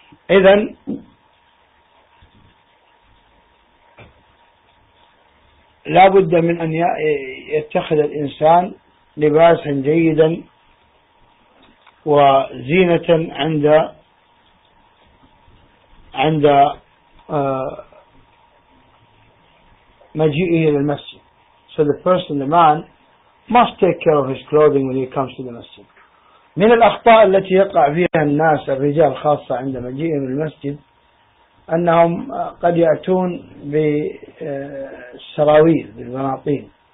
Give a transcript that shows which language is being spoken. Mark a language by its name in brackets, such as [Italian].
[Arabic] إذن لا بد من أن يتخذ الإنسان لباسا جيدا وزينة عند مجيئه للمسجد. [English] So the person, the man, must take care of his clothing when he comes to the masjid. [Arabic] من الأخطاء التي يقع فيها الناس الرجال خاصة عند مجيئهم المسجد أنهم قد يأتون بالسراويل بالبناطيل.